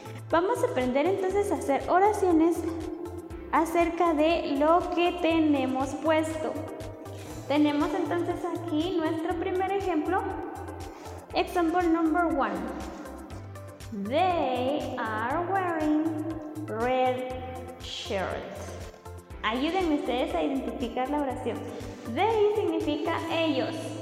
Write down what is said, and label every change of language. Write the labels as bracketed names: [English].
[Spanish] Vamos a aprender entonces a hacer oraciones acerca de lo que tenemos puesto. Tenemos entonces aquí nuestro primer ejemplo. [English] Example number one. They are wearing red shirt. [Spanish] Ayúdenme ustedes a identificar la oración. They significa ellos.